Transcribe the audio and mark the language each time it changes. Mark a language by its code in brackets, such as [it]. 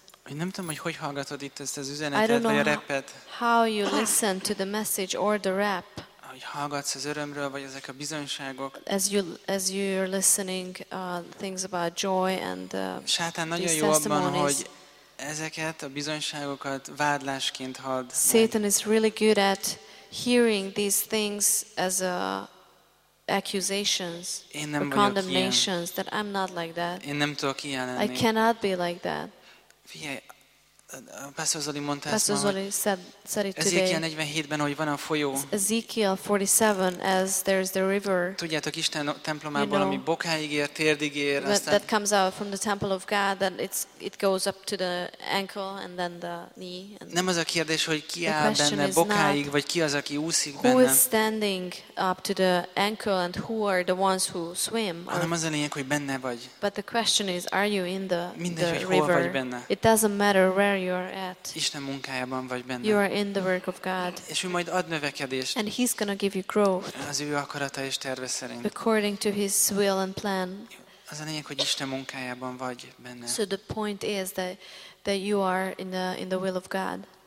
[hu] Én nem tudom, hogy hogy hallgatod itt ezt az üzenetet, vagy a rappet. [en] How you listen to the message or the rap. [hu] Hogy hallgatsz az örömről, vagy ezek a bizonyságok. [en] As you're listening things about joy and [hu] Sátán nagyon jó abban, hogy ezeket a bizonyságokat vádlásként hald. [en] Satan is really good at hearing these things as a accusations or condemnations, that I'm not like that. [hu] Én nem tudok ilyen lenni. [en] I cannot be like that. [hu] Pastor Zoli mondta ezt Ezekiel 47-ben, hogy van a folyó. [en] Ezekiel 47, as there's the river. [hu] Tudjátok, Isten templomából, ami bokáig ér, térdig ér. [en] That comes out from the temple of God, that it goes up to the ankle and then the knee. [hu] Nem az a kérdés, hogy ki áll benne bokáig, vagy ki az, aki úszik benne. [en] Who is standing up to the ankle and who are the ones who swim? [hu] Hanem az a lényeg, hogy benne vagy. [en] But the question is, are you in the [hu] river? Vagy benne. [en] It doesn't matter where you are at. [hu] Isten munkájában vagy benne. [en] You are in the work of God. [hu] És ő majd ad növekedést. [en] And he's going to give you growth. [hu] Az ő akarata és terve szerint. [en] According to his will and plan. [hu] az a lényeg, hogy Isten munkájában vagy benne. [en] So the point is that you are in the will of God.